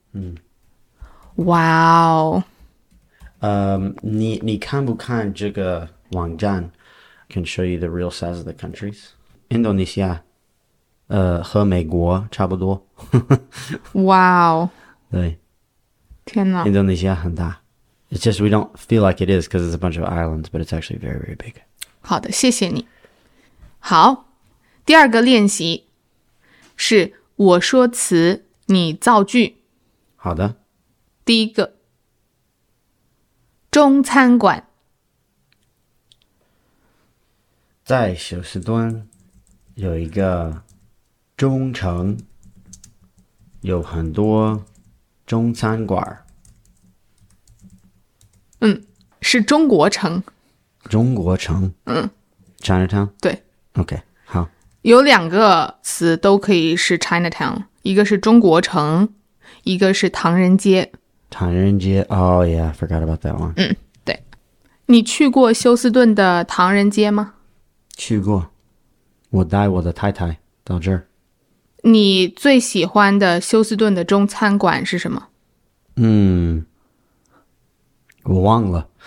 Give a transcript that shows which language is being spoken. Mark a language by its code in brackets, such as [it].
[zh] 嗯。哇、wow、哦。你看不看这个网站 [en] ?Can show you the real size of the countries? [zh] 印度尼西亚和美国差不多。哇哦、wow。对。天哪。印度尼西亚很大。 [en] It's just we don't feel like it is because it's a bunch of islands, but it's actually very, very big. [zh] 好的，谢谢你。好。第二个练习。是我说词你造句。好的。第一个。中餐馆。在休斯敦有一个中城，有很多中餐馆。嗯，是中国城。中国城。嗯。 [en] Chinatown? [zh] 对。 [en] OK。 [zh] 有两个词都可以是 Chinatown, 一个是中国城，一个是唐人街。 [en] 唐人街 ,oh yeah, I forgot about that one. [zh] 嗯，对。你去过休斯顿的唐人街吗？去过。我带我的太太到这儿。你最喜欢的休斯顿的中餐馆是什么？嗯，我忘了。